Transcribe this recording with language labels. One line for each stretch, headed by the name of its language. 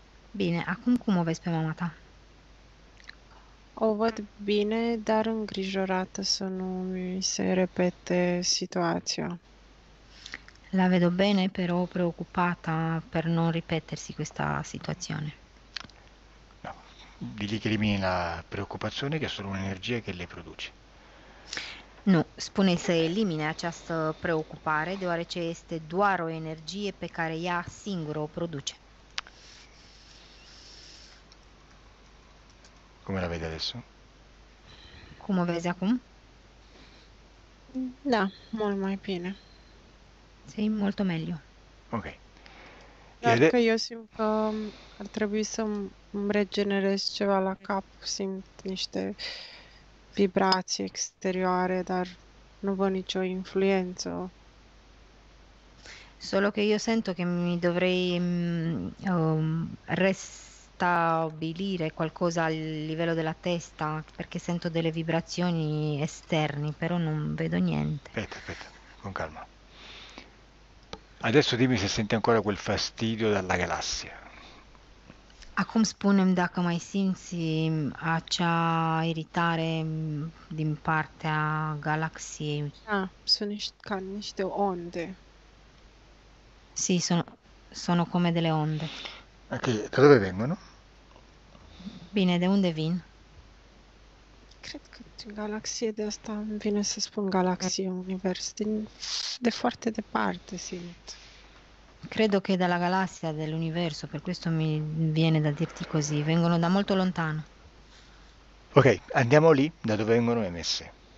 Romanian: Bene, acum cum o vezi pe mama ta? O văd bine, dar îngrijorată să nu mi se repete situația.
Italian: La vedo bene, però preoccupata per non ripetersi questa situazione. Digli che elimini la preoccupazione, che è solo un'energia che lei produce.
Romanian: Nu, spune să elimine această preocupare, deoarece este doar o energie pe care ea singură o produce.
Italian: Come la vede adesso?
Romanian: Cum o vezi acum?
Italian: Da, molto mai bene. Sei molto meglio.
Romanian: Doar că io simt că ar trebui să îmi regenerez ceva la cap, simt niște vibrații exterioare, dar nu văd nicio influență.
Italian: Solo che io sento che mi dovrei restabilire qualcosa a livello della testa perché sento delle vibrazioni esterne, però non vedo niente. Aspetta, con calma. Adesso dimmi se senti ancora quel fastidio dalla galassia.
Romanian: Akum spunem dacă mai simți acea iritare din partea galaxiei.
Italian: Ah, sono
Romanian: ca niște
Italian: onde. Sì, sono come delle onde. Ok, da dove vengono?
Romanian: Bine, de unde vin? Cred că galaxie de asta îmi vine să spun galaxie, univers, de foarte departe simt.
Italian: Credo che dalla galassia dell'universo, per questo mi viene da dirti così, vengono da molto lontano. Ok, andiamo lì da dove vengono emesse.